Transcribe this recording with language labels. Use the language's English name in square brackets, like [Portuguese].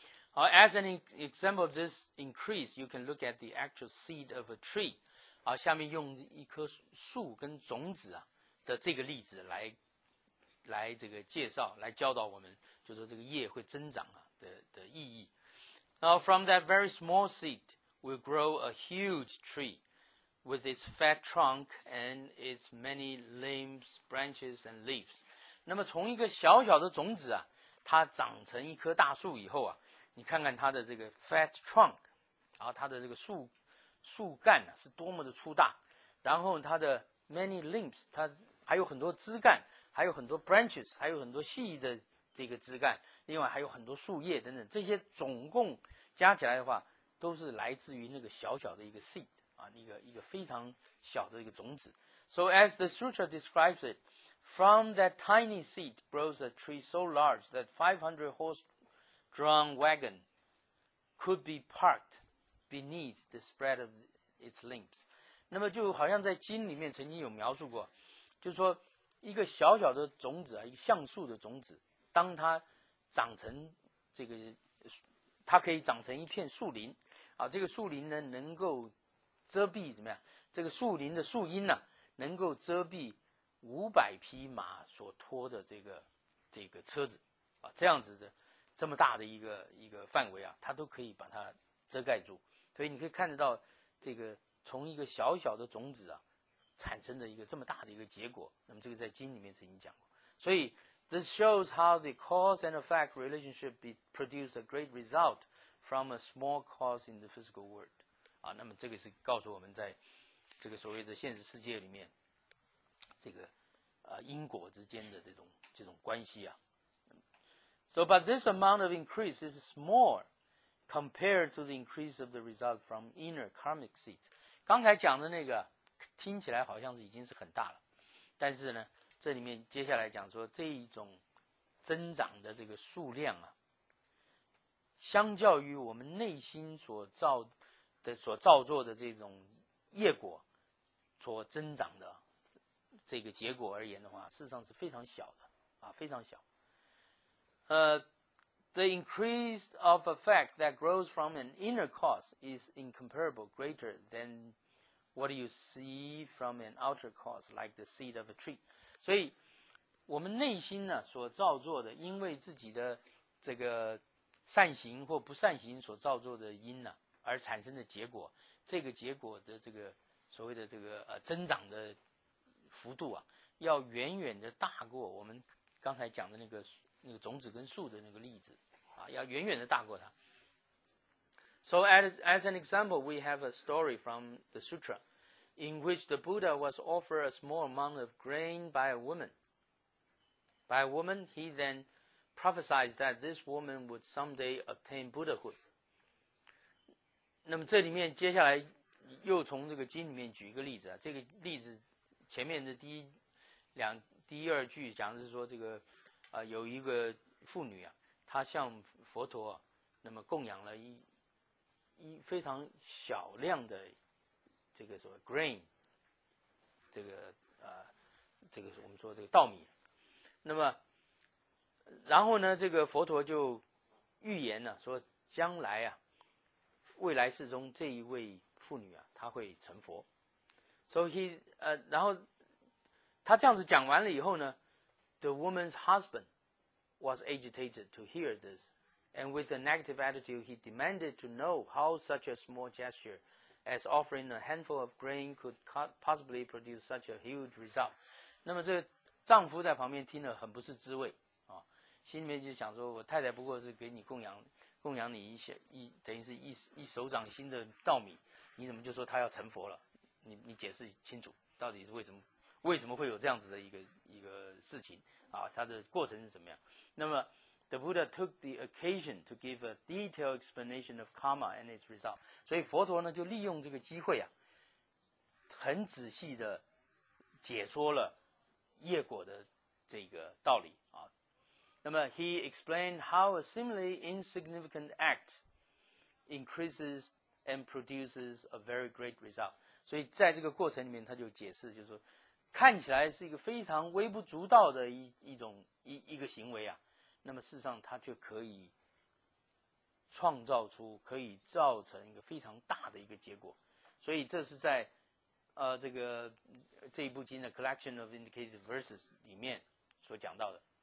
[English] 好， as an example of this increase, you can look at the actual seed of a tree. [Chinese] 好，下面用一棵树跟种子啊的这个例子来这个介绍，来教导我们，就说这个叶会增长啊的意义。 [English] Now, from that very small seed will grow a huge tree with its fat trunk and its many limbs, branches and leaves. [Chinese] 那么从一个小小的种子啊，它长成一棵大树以后啊，你看看它的这个 [English] fat trunk, [Chinese] 然后它的这个树干、啊、是多么的粗大，然后它的 [English] many limbs, [Chinese] 它还有很多枝干，还有很多 branches, 还有很多细的这个枝干，另外还有很多树叶等等，这些总共加起来的话都是来自于那个小小的一个 seed, 啊，一个非常小的一个种子。 [English] So as the sutra describes it, from that tiny seed grows a tree so large that 500-horse-drawn wagon could be parked beneath the spread of its limbs. [Chinese] 那么就好像在经里面曾经有描述过，就是说一个小小的种子啊，一个橡树的种子，当它长成这个，它可以长成一片树林啊，这个树林呢能够遮蔽怎么样，这个树林的树荫呢、啊、能够遮蔽500匹马所拖的这个车子啊，这样子的这么大的一个范围啊，它都可以把它遮盖住。所以你可以看得到，这个从一个小小的种子啊产生的一个这么大的一个结果，那么这个在经里面曾经讲过。所以 [English] this shows how the cause and effect relationship produce a great result from a small cause in the physical world [Chinese] 啊，那么这个是告诉我们在这个所谓的现实世界里面这个因果之间的这种关系啊。 [English] So but this amount of increase is small compared to the increase of the result from inner karmic seed. [Chinese] 刚才讲的那个听起来好像是已经是很大了，但是呢这里面接下来讲说这一种增长的这个数量啊，相较于我们内心所造作的这种业果所增长的这个结果而言的话，事实上是非常小的啊，非常小。 [English] The increase of effect that grows from an inner cause is incomparable greater than what you see from an outer cause, like the seed of a tree. [Chinese] 所以我们内心呢所造作的，因为自己的这个善行或不善行所造作的因呢、啊、而产生的结果，这个结果的这个所谓的这个增长的幅度啊，要远远的大过我们刚才讲的那个种子跟树的那个例子啊，要远远的大过它。 [English] So as an example, we have a story from the sutra in which the Buddha was offered a small amount of grain by a woman. By a woman, he then prophesied that this woman would someday obtain Buddhahood. [Chinese] 那么这里面接下来又从这个经里面举一个例子啊，这个例子前面的第二句讲的是说这个有一个妇女啊，她向佛陀、啊、那么供养了一非常小量的这个所谓 grain 这个我们说这个稻米，那么然后呢这个佛陀就预言呢、啊、说将来啊未来世中这一位妇女啊她会成佛。 [English] So he [Chinese] 然后他这样子讲完了以后呢， [English] the woman's husband was agitated to hear thisAnd with a negative attitude, he demanded to know how such a small gesture as offering a handful of grain could possibly produce such a huge result. [Chinese] 那么这丈夫在旁边听了很不是滋味、啊、心里面就想说我太太不过是给你供养你等于是一手掌心的稻米，你怎么就说他要成佛了，你解释清楚到底是为什么会有这样子的一个事情啊，他的过程是怎么样。 [English] 那么The Buddha took the occasion to give a detailed explanation of karma and its result. [Chinese] 所以佛陀呢就利用这个机会啊，很仔细的解说了业果的这个道理啊。 [English] 那么 he explained how a seemingly insignificant act increases and produces a very great result. [Chinese] 所以在这个过程里面他就解释，就是说看起来是一个非常微不足道的 一个行为啊，那么事实上它却可以创造出，可以造成一个非常大的一个结果。所以这是在这个这一部经的 Collection of Indicative Verses 里面所讲到的。